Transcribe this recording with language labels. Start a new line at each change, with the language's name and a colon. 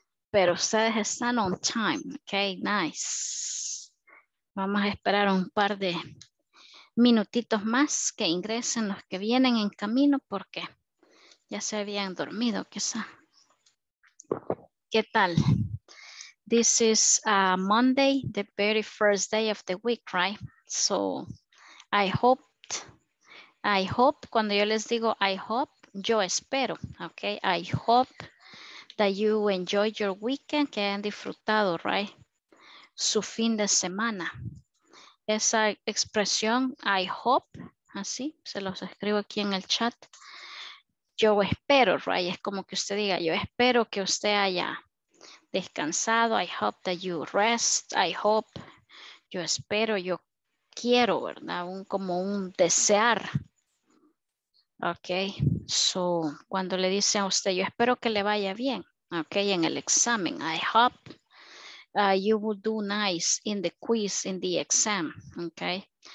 English: Pero ustedes están on time. Okay, nice.
Spanish: Vamos a esperar un par de minutitos más que ingresen los que vienen en camino porque ya se habían dormido quizá. ¿Qué tal?
English: This is Monday, the very first day of the week, right?
Spanish: So I hope, cuando yo les digo I hope, yo espero, okay?
English: I hope that you enjoy your weekend, que hayan disfrutado, right?
Spanish: Su fin de semana. Esa expresión, I hope, así, se los escribo aquí en el chat. Yo espero, right? Es como que usted diga, yo espero que usted haya descansado.
English: I hope that you rest. I hope, yo espero, yo quiero, ¿verdad?
Spanish: Como un desear. Ok, so, cuando le dicen a usted, yo espero que le vaya bien, ok, en el examen, I hope.
English: You will do nice in the quiz, in the exam, okay?